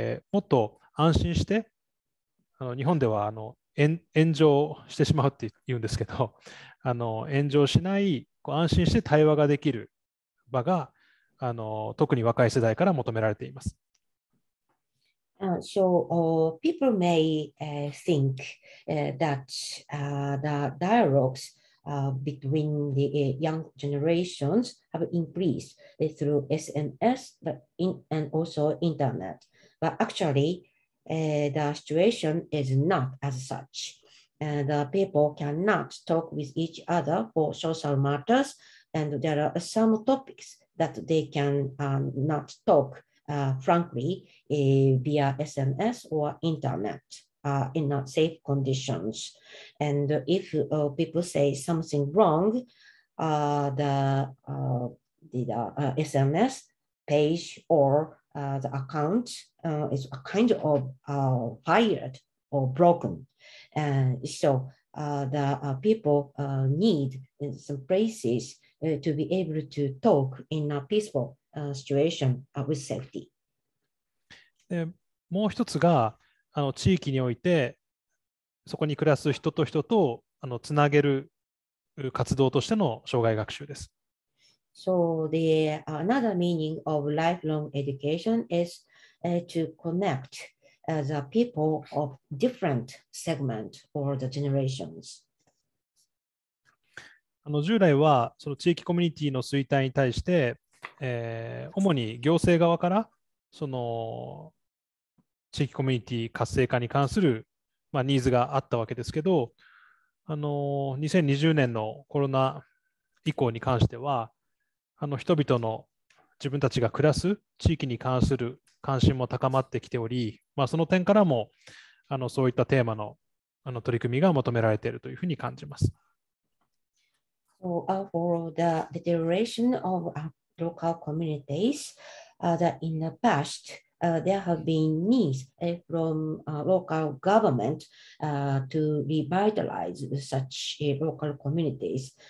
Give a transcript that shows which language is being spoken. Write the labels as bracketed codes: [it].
[ja] もっと安心してあの日本ではあの炎上してしまうって言うんですけど、あの炎上しないこう安心して対話ができる場があの特に若い世代から求められています。 [en] So people may think that the dialogues between the young generations have increased through SNS and also internet. But actually, the situation is not as such. The people cannot talk with each other for social matters, and there are some topics that they can not talk. Frankly, via SNS or internet in safe conditions. And if people say something wrong, the SNS page or the account is a kind of fired or broken. So the people need some places to be able to talk in a peacefulsituation with safety. [ja] でもう一つがあの地域においてそこに暮らす人と人とあのつなげる活動としての障害学習です。 [en] So the another meaning of lifelong education is to connect the people of different segment or the generations. [ja] あの従来はその地域コミュニティの衰退に対して主に行政側からその地域コミュニティ活性化に関する、まあ、ニーズがあったわけですけど、あの2020年のコロナ以降に関してはあの人々の自分たちが暮らす地域に関する関心も高まってきており、まあ、その点からもあのそういったテーマ の, あの取り組みが求められているというふうに感じます。 [en] For the deterioration ofLocal communities, that in the past there have been needs from local government to revitalize such local communities.